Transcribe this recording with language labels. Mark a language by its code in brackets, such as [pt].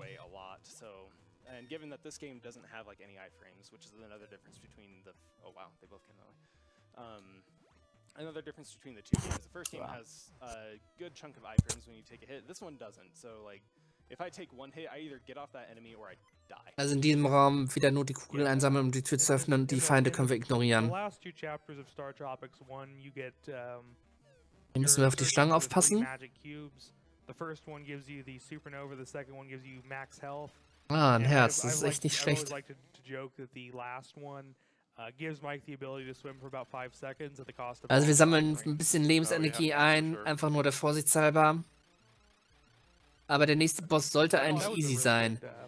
[de] Und [en] given that this game doesn't have like any iframes, which is another difference between the. Oh wow, they both came out. Another difference between the two games. The first game has a good chunk of iframes when you take a hit. This one doesn't. So like if I take one hit, I either get off that enemy or I die. [de] Also in diesem Raum wieder nur die Kugeln einsammeln, um die Tür zu öffnen und die Feinde können wir ignorieren. [en] The last two chapters of Star Tropics 1, you get [de] hier müssen wir auf die Schlange aufpassen. [en] Magic cubes. The first one gives you the supernova, the second one gives you max health. [de] Ah, ein Herz, das ist echt nicht schlecht. [en] I always like to joke that the last one gives Mike the ability to swim for about 5 seconds at the cost of. [de] Also, wir sammeln ein bisschen Lebensenergie ein, einfach nur der Vorsicht halber. Aber der nächste Boss sollte eigentlich easy sein.